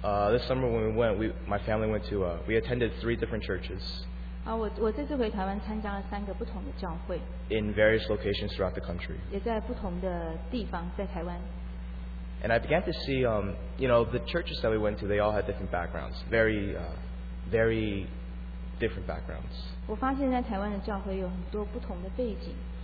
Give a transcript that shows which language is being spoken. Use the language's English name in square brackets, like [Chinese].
[English] This summer when we went, we attended three different churches. [Chinese] 我这次回台湾参加了三个不同的教会。 [English] In various locations throughout the country. [Chinese] 也在不同的地方，在台湾。 [English] And I began to see, you know, the churches that we went to, they all had different backgrounds, very different backgrounds. [Chinese] 我发现在台湾的教会有很多不同的背景。